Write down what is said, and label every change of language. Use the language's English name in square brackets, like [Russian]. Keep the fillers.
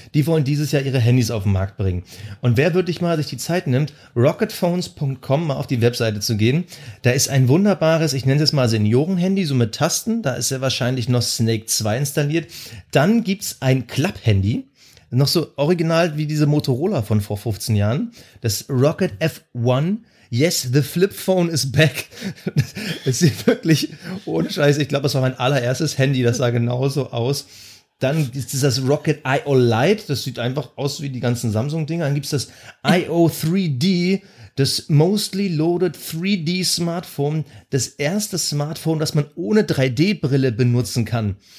[German] Die wollen dieses Jahr ihre Handys auf den Markt bringen. Und wer wirklich mal sich die Zeit nimmt, rocketphones.com mal auf die Webseite zu gehen. Da ist ein wunderbares, ich nenne es mal Seniorenhandy, so mit Tasten. Da ist ja wahrscheinlich noch Snake 2 installiert. Dann gibt's ein Klapphandy. Noch so original wie diese Motorola von vor 15 Jahren. Das Rocket F1. [English] Yes, the flip phone is back. [German] Es sieht wirklich ohne Scheiß. Ich glaube, das war mein allererstes Handy. Das sah genauso aus. Dann ist es das Rocket IO Lite. Das sieht einfach aus wie die ganzen Samsung-Dinger. Dann gibt's das IO 3D. Das [English] mostly loaded [German] 3D Smartphone. Das erste Smartphone, das man ohne 3D-Brille benutzen kann.